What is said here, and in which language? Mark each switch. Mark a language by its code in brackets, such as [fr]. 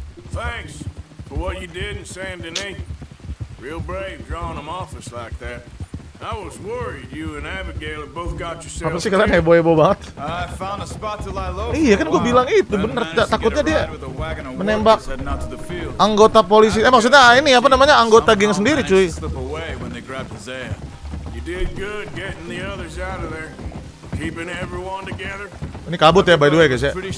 [en] Thanks for what you did in San Denis. Real brave drawing them off us like that. I was worried you and Abigail have both got yourself. [id] Apa sih kalian heboh banget? [en] I found a spot to lie low. [id] Iya kan gue bilang itu bener. Takutnya dia menembak anggota polisi. Maksudnya ini apa namanya, anggota geng sendiri, cuy. [en] You did good getting the others out of there, keeping everyone together. [id] Ini kabut ya, by the way, guys ya.